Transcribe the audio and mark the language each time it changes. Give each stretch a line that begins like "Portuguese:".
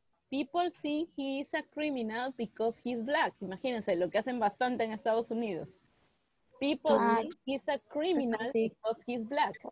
English: People think he is a criminal because he's black.
Spanish: Imagínense lo que hacen bastante en Estados Unidos.
English: People think he's a criminal because he's black.